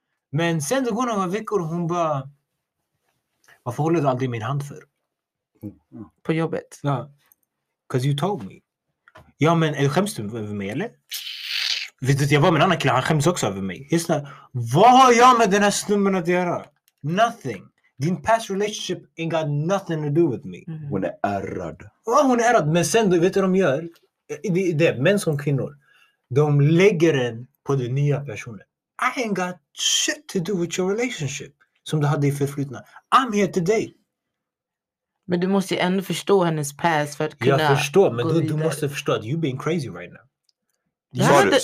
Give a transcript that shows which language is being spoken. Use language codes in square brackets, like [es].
[sv] Men sen det går några veckor, hon bara, varför håller du aldrig min hand för? På jobbet? Ja. [en] Because you told me. [sv] Ja, men skäms du över mig, eller? Vet du, jag var med en annan kille, han skäms också över mig. [en] Just now, [sv] vad har jag med den här snubben att göra? [en] Nothing. [sv] Din [en] past relationship ain't got nothing to do with me. [sv] Hon är ärrad. Ja, hon är ärrad. Men sen, vet du vad de gör? Det är män som kvinnor. De lägger den på den nya personen. [en] I ain't got shit to do with your relationship. [sv] Som du hade i förflutna. [en] I'm here today. [sv] Men du måste ju ändå förstå hennes past för att kunna... Jag förstår, men du måste förstå att [en] you're being crazy right now.